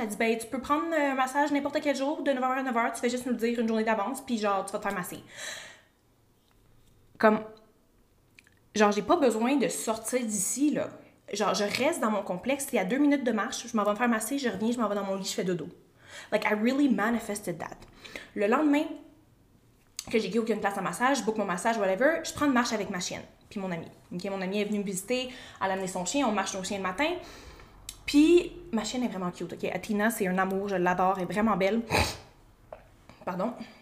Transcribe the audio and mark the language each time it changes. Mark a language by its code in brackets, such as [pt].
[fr] Elle dit, ben, tu peux prendre un massage n'importe quel jour, de 9h à 9h, tu fais juste nous le dire une journée d'avance, puis genre, tu vas te faire masser. Comme, genre, j'ai pas besoin de sortir d'ici, là. Genre, je reste dans mon complexe, c'est à 2 minutes de marche, je m'en vais me faire masser, je reviens, je m'en vais dans mon lit, je fais dodo. [en] Like, I really manifested that. [fr] Le lendemain que j'ai dit, OK, une place à massage, je book mon massage, [en] whatever, [fr] je prends une marche avec ma chienne, puis mon amie. OK, mon amie est venue me visiter, elle a amené son chien, on marche nos chiens le matin. Puis, ma chienne est vraiment cute, OK? Athena, c'est un amour, je l'adore, elle est vraiment belle. Pardon.